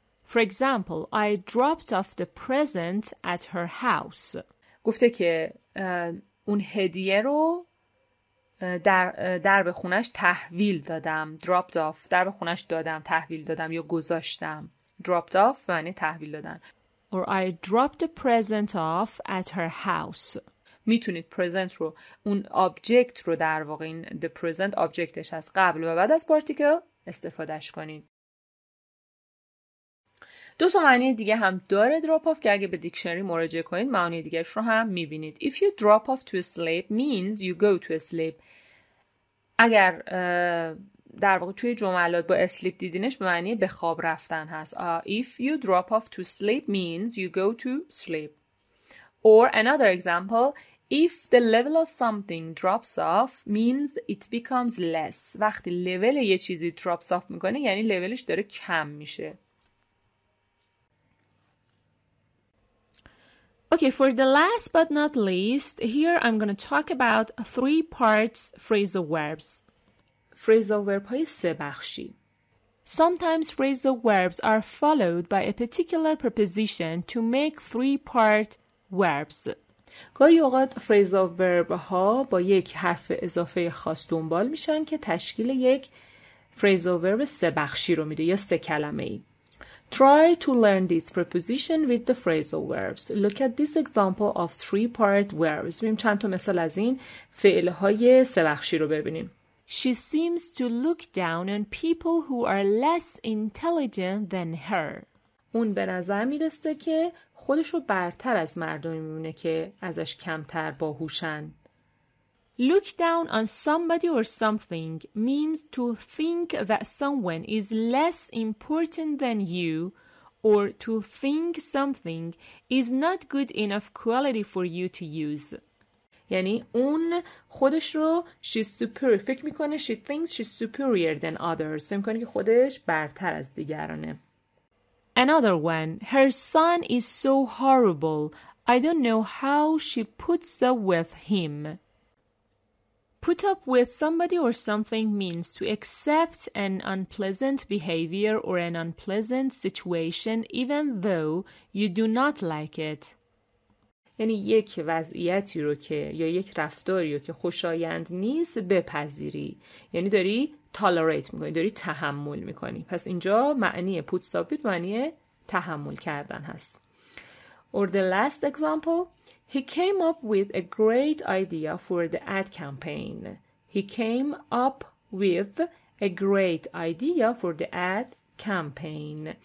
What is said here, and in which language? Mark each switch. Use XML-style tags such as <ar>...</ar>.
<en>For example, I dropped off the present at her house.</en> <fa>گفته که اون هدیه رو در به خونش تحویل دادم.</fa> <en>Dropped off.</en> <fa>در به خونش دادم، تحویل دادم یا گذاشتم.</fa> <en>Dropped off</en> <fa>معنی تحویل دادن.</fa> <en>Or I dropped the present off at her house.</en> <fa>میتونید present رو اون object رو در واقع این the present objectش از قبل و بعد از particle استفادهش کنید. دو تا معنی دیگه هم داره drop off که اگه به دیکشنری مراجعه کنید معنی دیگه‌اش رو هم میبینید.</fa> <en>If you drop off to sleep means you go to sleep.</en> <fa>اگر در واقع توی جملات با sleep دیدینش به معنی به خواب رفتن هست.</fa> <en>If you drop off to sleep means you go to sleep. Or another example، If the level of something drops off means it becomes less.</en> <fa>وقتی لول یه چیزی drops off میکنه یعنی لولش داره کم میشه.</fa> <en>Okay, for the last but not least, here I'm going to talk about three parts phrasal verbs.</en> <fa>Phrasal verb های سه بخشی.</fa> <en>Sometimes phrasal verbs are followed by a particular preposition to make three part verbs.</en> <fa>گاهی اوقات phrasal verb ها با یک حرف اضافه خاص دنبال میشن که تشکیل یک phrasal verb سه بخشی رو میده یا سه کلمه ای.</fa> <en>Try to learn this preposition with the phrasal verbs. Look at this example of three part verbs.</en> <fa>ببینیم چند تا مثال از این فعل های سه بخشی رو ببینیم.</fa> <en>She seems to look down on people who are less intelligent than her.</en> <fa>اون به نظر میرسه که خودشو برتر از مردمی میبونه که ازش کمتر باهوشن.</fa> <en>Look down on somebody or something means to think that someone is less important than you or to think something is not good enough quality for you to use.</en> <fa>یعنی اون خودش رو</fa> <en>she's superior</en> <fa>فکر میکنه,</fa> <en>she thinks she's superior than others,</en> <fa>فکر میکنه که خودش برتر از دیگرانه.</fa> <en>Another one, her son is so horrible. I don't know how she puts up with him. Put up with somebody or something means to accept an unpleasant behavior or an unpleasant situation even though you do not like it.</en> <fa>یعنی یک وضعیتی رو که یا یک رفتاری رو که خوشایند نیست بپذیری. یعنی داری tolerate میکنی. داری تحمل میکنی. پس اینجا معنی put up with معنی تحمل کردن هست.</fa> <en>Or the last example. He came up with a great idea for the ad campaign. He came up with a great idea for the ad campaign.</en>